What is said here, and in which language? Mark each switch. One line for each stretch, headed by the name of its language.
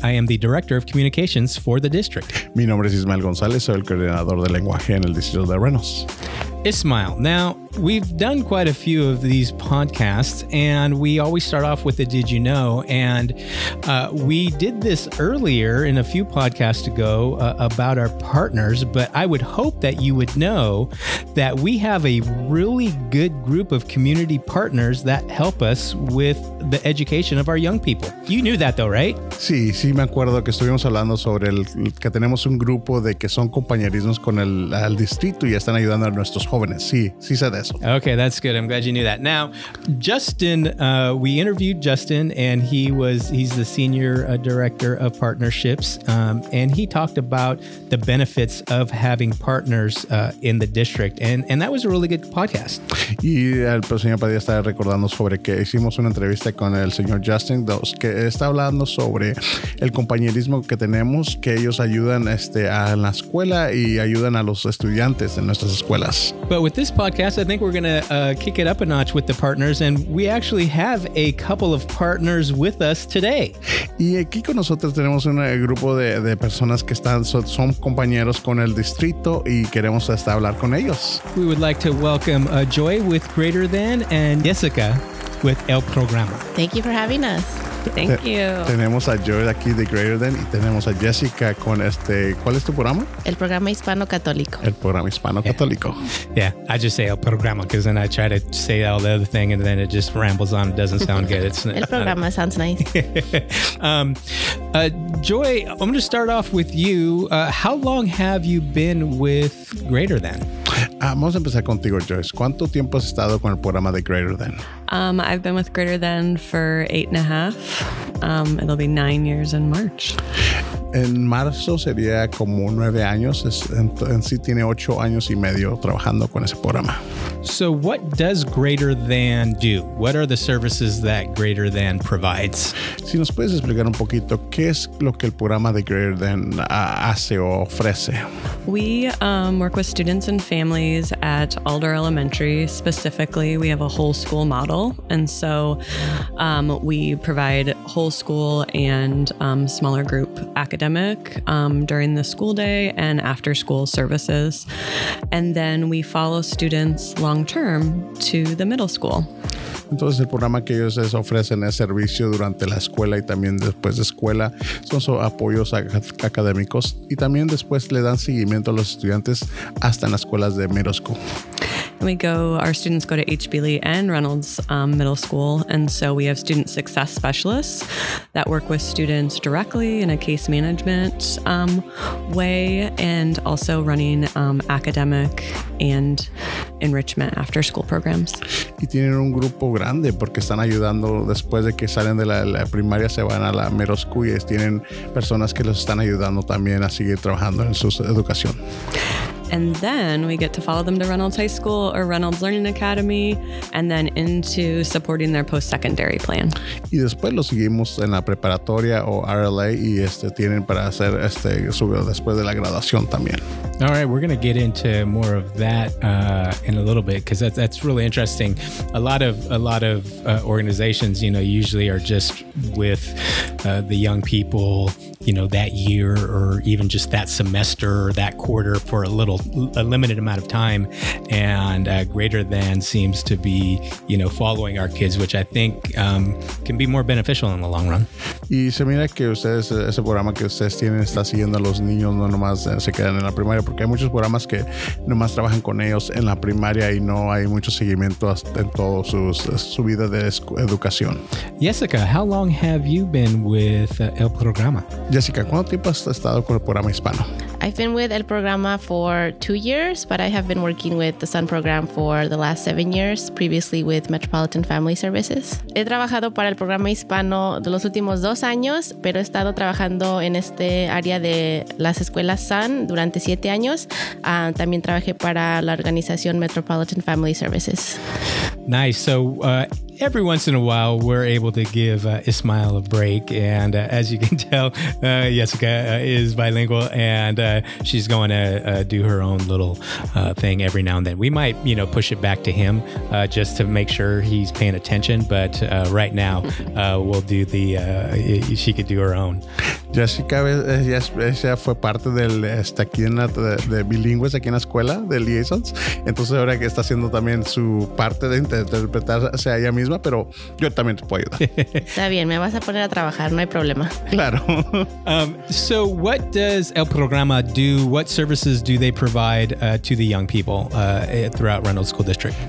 English: I am the Director of Communications for the district.
Spanish: Mi nombre es Ismael González. Soy el coordinador de lenguaje en el distrito de Reynolds.
English: Ismael, now we've done quite a few of these podcasts and we always start off with the did you know, and we did this earlier in a few podcasts ago about our partners, but I would hope that you would know that we have a really good group of community partners that help us with the education of our young people. You knew that though, right?
Spanish: Sí, sí, me acuerdo que estuvimos hablando sobre el que tenemos un grupo de que son compañerismos con el distrito y están ayudando a nuestros jóvenes. Sí, sí sé de eso.
English: Okay, that's good. I'm glad you knew that. Now, Justin, we interviewed Justin, and he's the senior director of partnerships, and he talked about the benefits of having partners in the district, and that was a really good podcast.
Spanish: Y el señor Padilla estaba recordando sobre que hicimos una entrevista con el señor Justin, que está hablando sobre el compañerismo que tenemos, que ellos ayudan a la escuela y ayudan a los estudiantes en nuestras escuelas.
English: But with this podcast, I think we're going to kick it up a notch with the partners, and we actually have a couple of partners with us today.
Spanish: Y aquí con nosotros tenemos un grupo de personas que son compañeros con el distrito y queremos hablar con ellos.
English: We would like to welcome Joy with Greater Than and Jessica with El Programa. Thank you for having us.
Spanish: Tenemos a Joy aquí de Greater Than y tenemos a Jessica con ¿cuál es tu programa? El programa hispano-católico. El programa hispano-católico.
English: Yeah, I just say el programa because then I try to say all the other thing and then it just rambles on. It doesn't sound good. It's, el programa sounds nice. Joy, I'm going to start off with you. How long have you been with Greater Than?
Spanish: Vamos a empezar contigo, Joyce. ¿Cuánto tiempo has estado con el programa de Greater Than?
English: I've been with Greater Than for 8.5. It'll be 9 years in March.
Spanish: En marzo sería como 9 años. En sí tiene 8 años y medio trabajando con ese programa.
English: So what does Greater Than do? What are the services that Greater Than provides?
Spanish: Si nos puedes explicar un poquito, ¿qué es lo que el programa de Greater Than hace o ofrece?
English: We work with students and families at Alder Elementary. Specifically, we have a whole school model. And so we provide whole school and smaller group academic during the school day and after school services. And then we follow students long-term to the middle school.
Spanish: Entonces, el programa que ellos les ofrecen es servicio durante la escuela y también después de escuela. Son apoyos académicos y también después le dan seguimiento a los estudiantes hasta en las escuelas de middle school.
English: We go, our students go to H.B. Lee and Reynolds Middle School, and so we have student success specialists that work with students directly in a case management way and also running academic and enrichment after school programs.
Spanish: Y tienen un grupo grande porque están ayudando después de que salen de la primaria, se van a la middle school y tienen personas que los están ayudando también a seguir trabajando en su educación.
English: And then we get to follow them to Reynolds High School or Reynolds Learning Academy, and then into supporting their post-secondary plan.
Spanish: Y después los seguimos en la preparatoria o RLA y tienen para hacer después de la graduación también.
English: All right, we're going to get into more of that in a little bit because that's really interesting. A lot of organizations, you know, usually are just with the young people, you know, that year or even just that semester or that quarter for a limited amount of time. And Greater Than seems to be, you know, following our kids, which I think can be more beneficial in the long run.
Spanish: Y se mira que ustedes, ese programa que ustedes tienen está siguiendo a los niños, no nomás se quedan en la primaria, porque hay muchos programas que nomás trabajan con ellos en la primaria y no hay mucho seguimiento hasta en toda su vida de educación.
English: Jessica, how long have you been with El Programa?
Spanish: Jessica, ¿cuánto tiempo has estado con el programa hispano?
English: I've been with El Programa for 2 years, but I have been working with the SUN program for the last 7 years, previously with Metropolitan Family Services.
Spanish: He trabajado para el programa hispano de los últimos 2 años, pero he estado trabajando en este área de las escuelas SUN durante 7 años. También trabajé para la organización Metropolitan Family Services.
English: Nice. So every once in a while, we're able to give Ismael a break. And as you can tell, Jessica is bilingual and she's going to do her own little thing every now and then. We might, you know, push it back to him just to make sure he's paying attention. But right now, we'll do the, she could do her own.
Spanish: Jessica, ella fue parte del, está aquí en la, de bilingües aquí en la escuela de liaisons. Entonces ahora que está haciendo también su parte de interpretarse a ella misma. Pero yo también te puedo ayudar. Está bien, me vas a poner a trabajar, no hay problema. Claro.
English: So what does El Programa do? What services do they provide to the young people throughout Reynolds School District?